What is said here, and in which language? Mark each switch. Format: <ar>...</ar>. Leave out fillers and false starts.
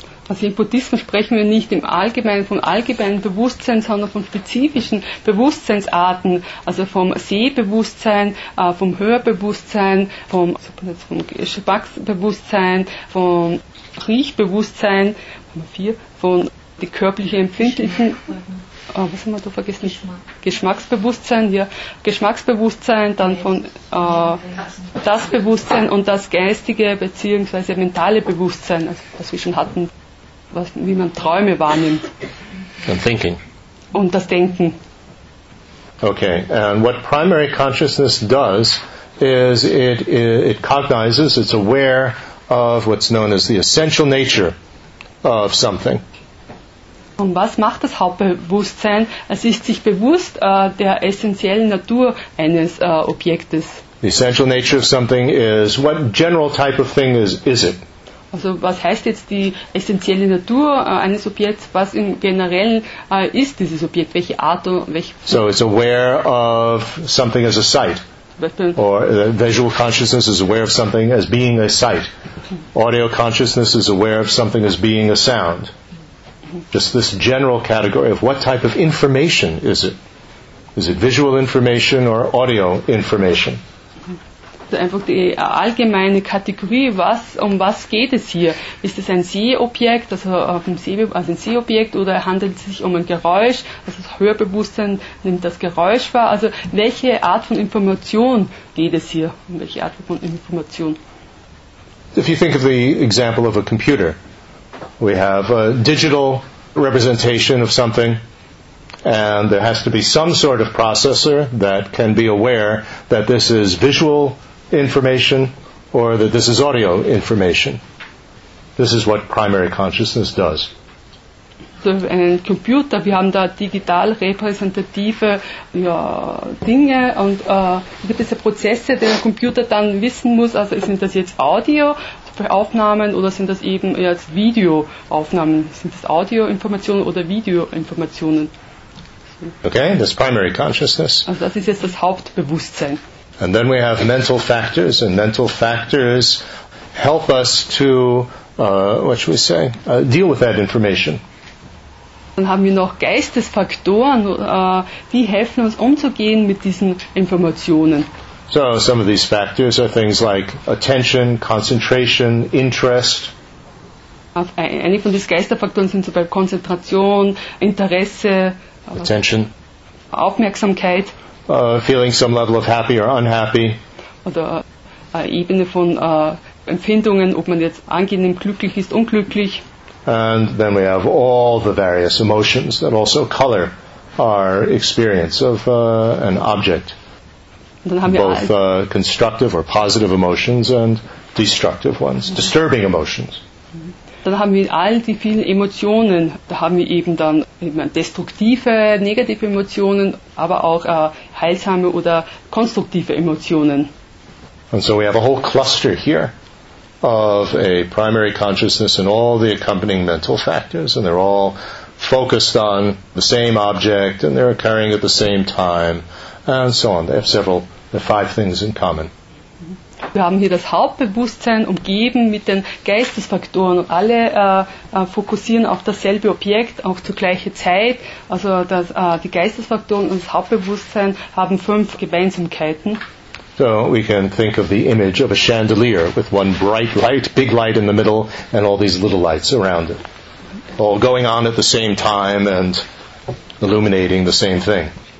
<de>Also im Buddhismus sprechen wir nicht im Allgemeinen von allgemeinem Bewusstsein, sondern von spezifischen Bewusstseinsarten, also vom Sehbewusstsein, vom Hörbewusstsein, vom Geschmacksbewusstsein, vom Riechbewusstsein, von die körperliche empfindlichen, was haben wir da vergessen? Geschmacksbewusstsein, ja, Geschmacksbewusstsein, dann von das Bewusstsein und das geistige bzw. mentale Bewusstsein, also was wir schon hatten, wie man Träume wahrnimmt.</de> <en>And thinking.</en> <de>Und das Denken.</de> <en>Okay, and what primary consciousness does is it cognizes, it's aware of what's known as the essential nature of something.</en> <de>Und was macht das Hauptbewusstsein? Es ist sich bewusst der essentiellen Natur eines Objektes.</de> <en>The essential nature of something is what general type of thing is it?</en> <de>Also was heißt jetzt die essentielle Natur eines Objekts? Was im Generellen ist dieses Objekt? Welche Art und welche?</de> <en>So it's aware of something as a sight. Or visual consciousness is aware of something as being a sight. Audio consciousness is aware of something as being a sound. Just this general category of what type of information is it? Is it visual information or audio information?</en> <de>Einfach die allgemeine Kategorie, was geht es hier? Ist es ein Sehobjekt, also ein Sehobjekt, oder handelt es sich um ein Geräusch? Also das Hörbewusstsein nimmt das Geräusch wahr. Also welche Art von Information geht es hier? Um welche Art von Information?</de> <en>If you think of the example of a computer, we have a digital representation of something. And there has to be some sort of processor that can be aware that this is visual information or that this is audio information. This is what primary consciousness does.</en> <de>So ein Computer, wir haben da digital repräsentative Dinge und gewisse Prozesse, die ein Computer dann wissen muss, also sind das jetzt Audioaufnahmen oder sind das eben jetzt Videoaufnahmen? Sind das Audioinformationen oder Videoinformationen?</de> <en>Okay, that's primary consciousness.</en> <de>Also das ist jetzt das Hauptbewusstsein.</de> <en>And then we have mental factors, and mental factors help us to, what should we say, deal with that information.</en> <de>Dann haben wir noch Geistesfaktoren, die helfen uns umzugehen mit diesen Informationen.</de> <en>So some of these factors are things like attention, concentration, interest.</en> <de>Einige von diesen Geistesfaktoren sind zum Beispiel Konzentration, Interesse,</de> <en>attention.</en> <de>Aufmerksamkeit.</de> <en>Feeling some level of happy or unhappy.</en> <de>Oder Ebene von Empfindungen, ob man jetzt angenehm glücklich ist, unglücklich.</de> <en>And then we have all the various emotions that also color our experience of an object. both constructive or positive emotions and destructive ones, disturbing emotions.</en> <de>Dann haben wir all die vielen Emotionen, da haben wir eben dann destruktive, negative Emotionen, aber auch heilsame oder konstruktive Emotionen.</de> <en>And so we have a whole cluster here of a primary consciousness and all the accompanying mental factors, and they're all focused on the same object and they're occurring at the same time and so on. They have several, the five things in common.</en> <de>Wir haben hier das Hauptbewusstsein umgeben mit den Geistesfaktoren und alle fokussieren auf dasselbe Objekt, auch zur gleichen Zeit. Also das, die Geistesfaktoren und das Hauptbewusstsein haben fünf Gemeinsamkeiten.</de> <en>So we can think of the image of a chandelier with one bright light, big light in the middle and all these little lights around it. All going on at the same time and illuminating the same thing.</en>